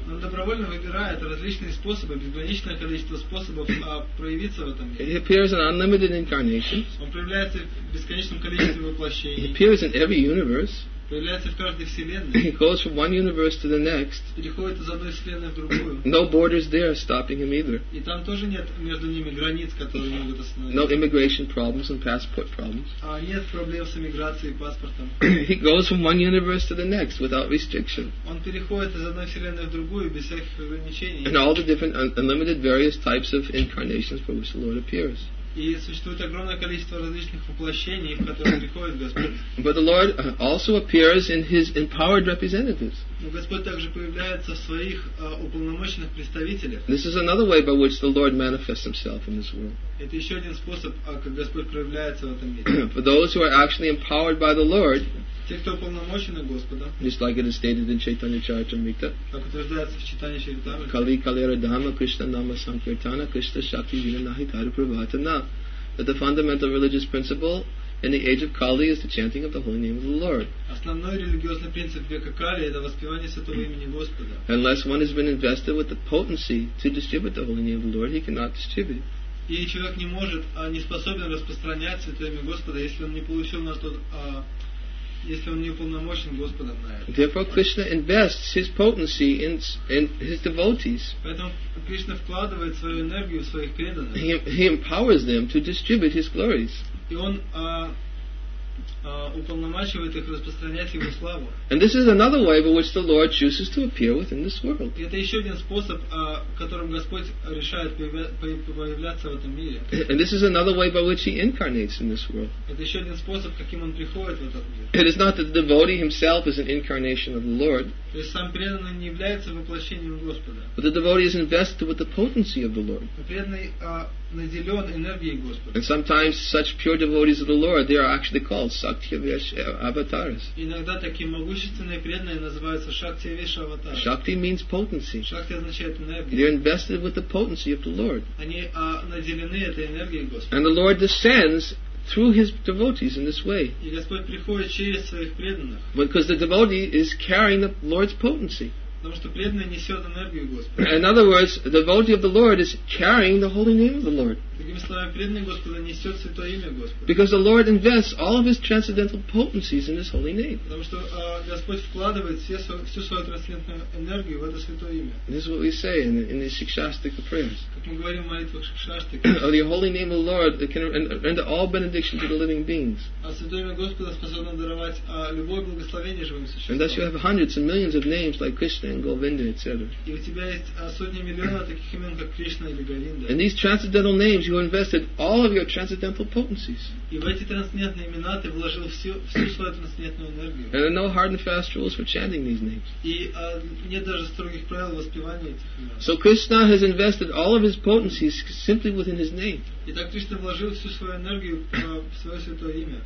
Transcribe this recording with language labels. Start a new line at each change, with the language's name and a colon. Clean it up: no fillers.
Russian: Он добровольно выбирает различные способы, безграничное количество способов проявиться в этом мире.
English: He appears in unlimited incarnations.
Russian: Он проявляется в бесконечном количестве воплощений.
English: He appears in every universe.
Russian: Появляется в каждой вселенной.
English: He goes from one universe to the next.
Russian: Переходит из одной вселенной в другую.
English: No borders there stopping him either.
Russian: И там тоже нет между ними границ, которые могут остановить.
English: No immigration problems and passport problems.
Russian: Нет проблем с иммиграцией и паспортом.
English: He goes from one universe to the next without restriction.
Russian: Он переходит из одной вселенной в другую без всяких ограничений.
English: And all the different unlimited various types of incarnations for which the Lord appears.
Russian: И существует огромное количество различных воплощений, в которые приходит Господь.
English: But the Lord also appears in His empowered representatives.
Russian: Но Господь также появляется в своих уполномоченных представителях.
English: This is another way by which the Lord manifests Himself in this world.
Russian: Это еще один способ, как Господь проявляется в этом мире.
English: For those who are actually empowered by the Lord.
Russian: Те, кто уполномочены Господом.
English: Just like it is stated in Chaitanya Charitamrita.
Russian: Как утверждается в Читании Чайтанья.
Sanskrit: Кали калера дама Кришна нама санкиртана Кришна шакти виринахи кару прабхатана.
English: That the fundamental religious principle in the age of Kali is the chanting of the holy name of the Lord.
Russian: Основной религиозный принцип века Кали это воспевание святого имени Господа.
English: Unless one has been invested with the potency to distribute the holy name of the Lord, he cannot distribute.
Russian: И человек не может, не способен распространять святое имя Господа, если он не получил на тот если он не уполномочен Господом на это.
English: Therefore, Krishna invests his potency in his devotees.
Russian: Поэтому Кришна вкладывает свою энергию в своих преданных.
English: He empowers them to distribute his glories.
Russian: И он уполномачивает их распространять его славу.
English: And this is another way by which the Lord chooses to appear within this world.
Russian: И это еще один способ, которым Господь решает появляться в этом мире.
English: And this is another way by which he incarnates in this world.
Russian: Это еще один способ, каким он приходит в этот мир.
English: It is not that the devotee himself is an incarnation of the Lord.
Russian: То есть сам преданный не является воплощением Господа.
English: But the devotee is invested with the potency of the Lord.
Russian: Преданный наделен энергией Господа.
English: And sometimes such pure devotees of the Lord, they are actually called Shaktivesh Avatars.
Russian: Иногда такие могущественные преданные называются Shaktivesh Avatars.
English: Shakti means potency.
Russian: Shakti означает энергия.
English: They are invested with the potency of the Lord.
Russian: Они наделены этой энергией Господа.
English: And the Lord descends through his devotees in this way.
Russian: И Господь приходит через своих преданных.
English: Because the devotee is carrying the Lord's potency.
Russian: Потому что преданный несет энергию Господа.
English: In other words, the devotee of the Lord is carrying the holy name of the Lord.
Russian: Другими словами, преданный Господа несет святое имя Господа.
English: Because the Lord invests all of his transcendental potencies in his holy name.
Russian: Потому что Господь вкладывает всю свою трансцендентную энергию в это святое имя.
English: This is what we say in the Shikshastika prayers.
Russian: Как мы говорим в молитвах Шикшастика.
English: Oh, the holy name of the Lord can render all benediction to the living beings.
Russian: А святое имя Господа способно даровать любое благословение живым существам.
English: And thus you have hundreds and millions of names like Krishna and Govinda, etc.
Russian: И у тебя есть сотни миллионов таких имен, как Кришна или Говинда.
English: And these transcendental names, you invested all of your transcendental potencies.
Russian: И в эти трансцендентные имена ты вложил всю свою трансцендентную энергию.
English: And there are no hard and fast rules for chanting these names.
Russian: И нет даже строгих правил воспевания этих имен.
English: So Krishna has invested all of his potencies simply within his name.
Russian: Итак, Кришна вложил всю свою энергию в свое святое имя.